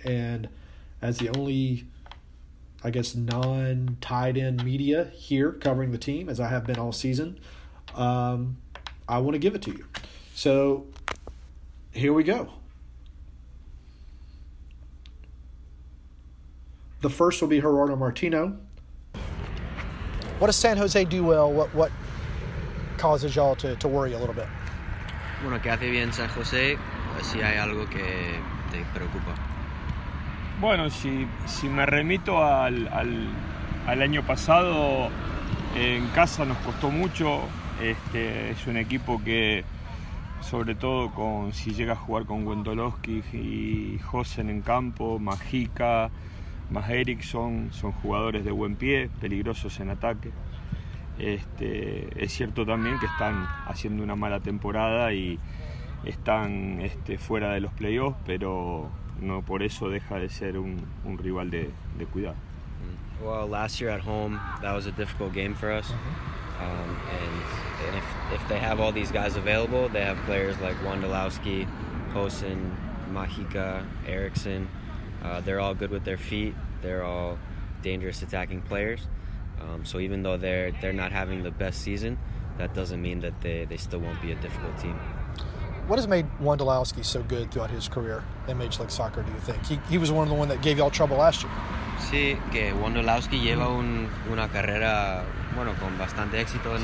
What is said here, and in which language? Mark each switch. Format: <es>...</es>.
<en>And as the only, I guess, non-tied-in media here covering the team, as I have been all season, I want to give it to you. So here we go. The first will be Gerardo Martino. What does San Jose do well? What causes y'all to worry a little bit?</en> <es>Bueno, qué hace bien San Jose. Si hay algo que te preocupa. Bueno, si me remito al año pasado, en casa nos costó mucho. Este es un equipo que, sobre todo con si llega a jugar con Wendolowski y Josen en campo, Mágica. Más Eriksson, son jugadores de buen pie, peligrosos en ataque. Este, es cierto también que están haciendo una mala temporada y están fuera de los playoffs, pero no por eso deja de ser un rival de cuidado.</es> <en>Well, last year at home, that was a difficult game for us. And if they have all these guys available, they have players like Wondolowski, Hosen, Mágica, Eriksson. They're all good with their feet. They're all dangerous attacking players. So even though they're not having the best season, that doesn't mean that they still won't be a difficult team. What has made Wondolowski so good throughout his career in Major League Soccer, do you think? He was one of the ones that gave y'all trouble last year.</en> <es>Sí, que Wondolowski lleva una carrera, bueno, con bastante éxito en</es>